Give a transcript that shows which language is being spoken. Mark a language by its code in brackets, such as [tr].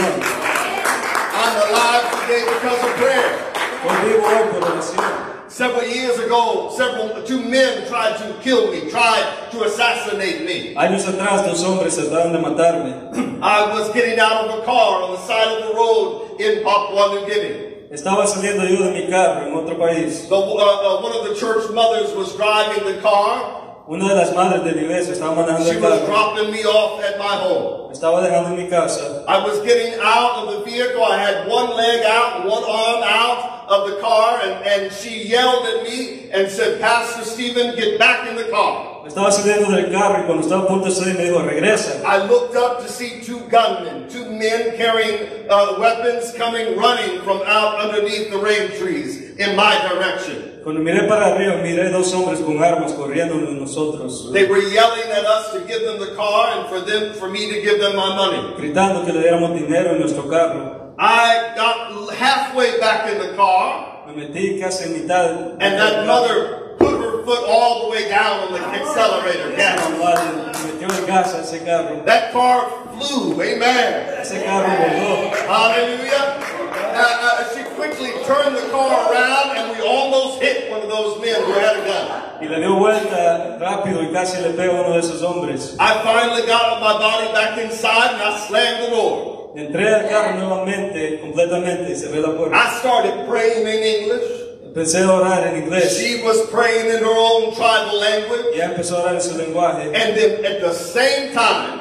[en] I'm alive today because of prayer. [es] Hoy vivo hoy por oración. [en] Several years ago, two men tried to kill me, tried to assassinate me. [es] Años atrás, dos hombres trataron de matarme. [en] I was getting out of a car on the side of the road in Papua New Guinea. [es] Estaba saliendo yo de mi carro en otro país. [en] One of the church mothers was driving the car. [es] Una de las madres de mi iglesia estaba manejando el carro. [en] She was dropping me off at my home. [es] Estaba dejando en mi casa. [en] I was getting out of the vehicle. I had one leg out, one arm out of the car, and she yelled at me and said, "Pastor Stephen, get back in the car." [es] Estaba saliendo del carro y cuando estaba a punto de salir me dijo, regresa. [en] I looked up to see two gunmen, two men carrying weapons coming running from out underneath the rain trees in my direction. [es] Cuando miré para arriba, miré dos hombres con armas corriendo de nosotros. [en] They were yelling at us to give them the car and for me to give them my money. [es] Gritando que le diéramos dinero en nuestro carro. [en] I got halfway back in the car. [es] Me metí casi en mitad. [en] And that mother put her foot all the way down on the accelerator. Yes. [es] Me metió el gas a ese carro. [en] That car flew. Amen. [es] Ese carro voló. [en] Hallelujah. She quickly turned the car around and we almost hit one of those men who had a gun. [es] Y le dio vuelta rápido y casi le pegó uno de esos hombres. [en] I finally got my body back inside and I slammed the door. [es] Entré al carro nuevamente, completamente, y cerré la puerta. [en] I started praying in English. [es] Empecé a orar en inglés. [en] She was praying in her own tribal language. [es] Y empezó a orar en su lenguaje. [en] And then at the same time,